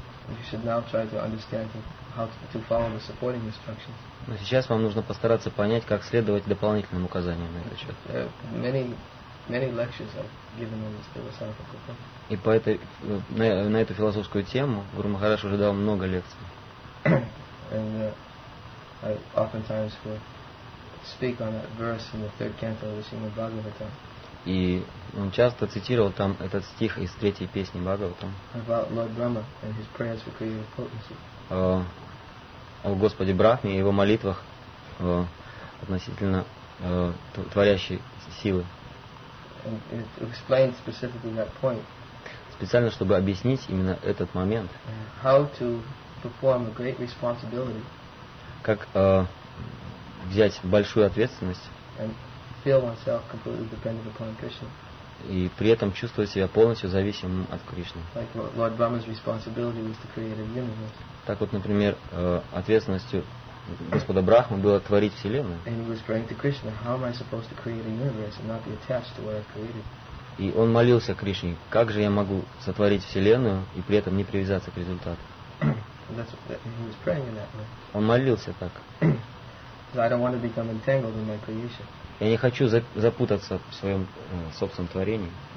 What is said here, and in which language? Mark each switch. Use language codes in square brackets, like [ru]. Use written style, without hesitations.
[en] You should now try to understand how to follow the supporting instructions. [ru] Но сейчас вам нужно постараться понять, как следовать дополнительным указаниям на этот счет. [en] Many lectures are given on this philosophical topic. [ru] И по этой на эту философскую тему Гуру Махарадж уже дал много лекций. [en] And I oftentimes will speak on that verse in the third canto of the Srimad Bhagavatam. [ru] И он часто цитировал там этот стих из третьей песни Бхагаватам. [en] About Lord Brahma and his prayers for creative potency. [ru] О Господе Брахме и его молитвах относительно творящей силы. [en] And it explains specifically that point. [ru] Специально, чтобы объяснить именно этот момент. [en] How to perform a great responsibility. [ru] Как взять большую ответственность. [en] Feel oneself completely dependent upon Krishna. [ru] И при этом чувствовать себя полностью зависимым от Кришны. [en] Like Lord Brahma's responsibility was to create a universe. [ru] Так вот, например, ответственностью Господа Брахмы было творить Вселенную. [en] And he was praying to Krishna, how am I supposed to create a universe and not be attached to what I've created? [ru] И он молился Кришне, как же я могу сотворить Вселенную и при этом не привязаться к результату? [en] He was praying in that way. [ru] Он молился так. [en] So I don't want to become entangled in my creation. [ru] Я не хочу запутаться в своем собственном творении.